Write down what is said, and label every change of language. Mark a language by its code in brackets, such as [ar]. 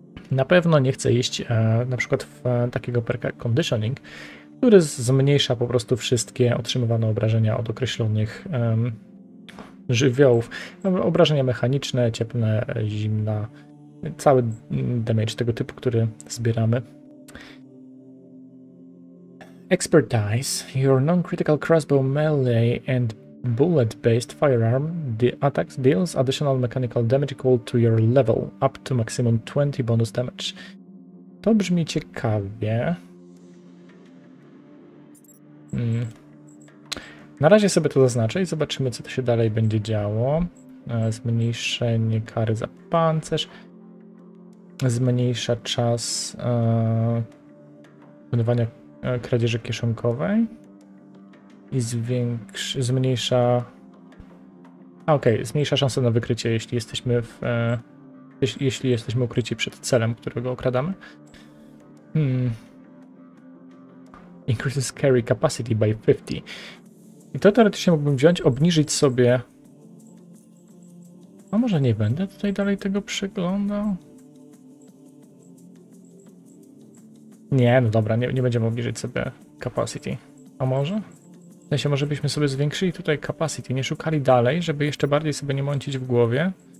[pl] Na pewno nie chcę iść na przykład w takiego perka Conditioning, który zmniejsza po prostu wszystkie otrzymywane obrażenia od określonych żywiołów. Obrażenia mechaniczne, cieplne, zimne, cały damage tego typu, który zbieramy. [en] Expertise. Your non-critical crossbow melee and bullet-based firearm attacks deals additional mechanical damage equal to your level, up to maximum 20 bonus damage. [pl] To brzmi ciekawie. Na razie sobie to zaznaczę i zobaczymy, co to się dalej będzie działo. Zmniejszenie kary za pancerz. Zmniejsza czas wydawania kradzieży kieszonkowej. I zmniejsza. A okej, okay, zmniejsza szansę na wykrycie, jeśli jesteśmy w. Jeśli jesteśmy ukryci przed celem, którego okradamy. [en] Increases carry capacity by 50. [pl] I to teoretycznie mógłbym wziąć, obniżyć sobie. A może nie będę tutaj dalej tego przeglądał? Nie, no dobra, nie będziemy obniżyć sobie capacity. A może? W sensie, może byśmy sobie zwiększyli tutaj capacity, nie szukali dalej, żeby jeszcze bardziej sobie nie mącić w głowie.